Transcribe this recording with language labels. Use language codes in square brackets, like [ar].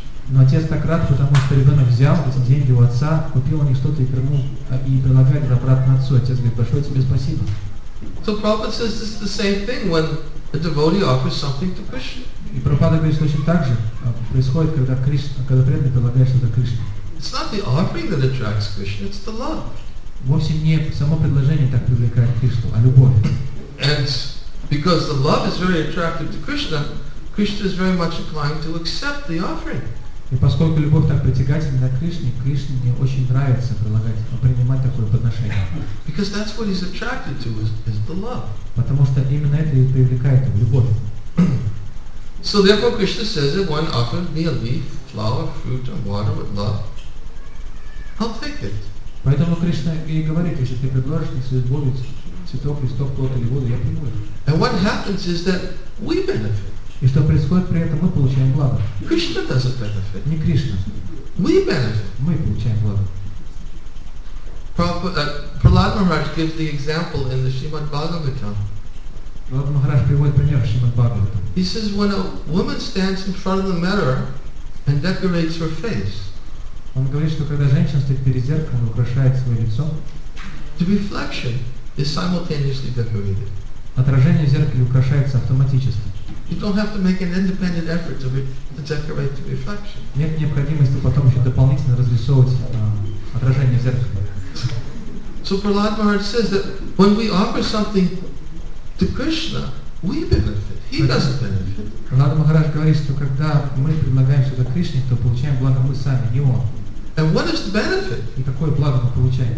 [ru] Но отец так рад, потому что ребенок взял эти деньги у отца, купил у них что-то и вернул, и предлагает это обратно отцу. Отец говорит: «Большое тебе спасибо». [en] So Prabhupada says this is the same thing when a devotee offers something to Krishna. [ru] И Прабхупада говорит, что точно так же происходит, когда Кришна, когда преданный предлагает что-то Кришне. [en] It's not the offering that attracts Krishna, it's the love. [ru] Вовсе не само предложение так привлекает Кришну, а любовь. [en] And because the love is very attractive to Krishna, Krishna is very much inclined to accept the offering. [ru] И поскольку любовь так притягательна к Кришне, Кришне мне очень нравится прилагать, принимать такое подношение. [en] Because that's what he's attracted to is the love. [ru] Потому что именно это и привлекает его, любовь. [en] So therefore Krishna says that one offers me a leaf, flower, fruit and water with love, I'll take it. [ru] Поэтому Кришна и говорит, если ты предложишь мне свою любовь, цветок, листок, плод или воду, я приму их. [en] And what happens is that we benefit. [ru] И что происходит при этом, мы получаем благо. [en] Krishna doesn't benefit. [ru] Не Кришна. [en] We benefit. [ru] Мы получаем благо. [en] Prahlad Maharaj gives the example in the Srimad Bhagavatam. [ru] Prahlad Maharaj приводит пример в Srimad Bhagavatam. [en] He says, when a woman stands in front of the mirror and decorates her face, [ru] он говорит, что когда женщина стоит перед зеркалом и украшает свое лицо, [en] the reflection is simultaneously decorated. [ru] Отражение в зеркале украшается автоматически. [en] You don't have to make an independent effort to decorate the reflection. [ru] Нет необходимости потом еще дополнительно разрисовывать отражение в зеркале. [en] So Prahlad Maharaj says that when we offer something to Krishna, we benefit. He doesn't benefit. [ru] Prahlad Maharaj говорит, что когда мы предлагаем что-то Кришне, то получаем благо мы сами, не он. [en] And what is the benefit? [ru] И какое благо мы получаем?